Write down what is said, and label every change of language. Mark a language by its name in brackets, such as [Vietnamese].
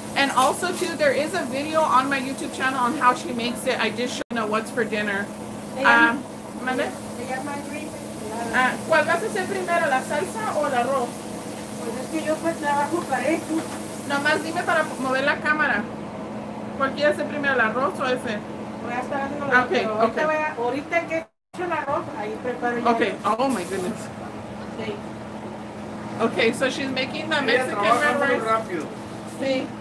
[English] And also, too, there is a video on my YouTube channel on how she makes it. I did show you what's for dinner. [Spanish] ¿Cuál vas a hacer primero, la salsa o el arroz? Pues es que yo pues trabajo parejo. Nomás dime para mover la cámara. ¿Cuál quieres hacer primero, el arroz o ese? Voy a estar haciendo el arroz. [English] Okay. [Spanish] Ahorita que he hecho el arroz, ahí preparo [English] yo. Okay, oh my goodness. [Spanish] Sí. [English] Okay, so she's making the Mexican rice. Sí,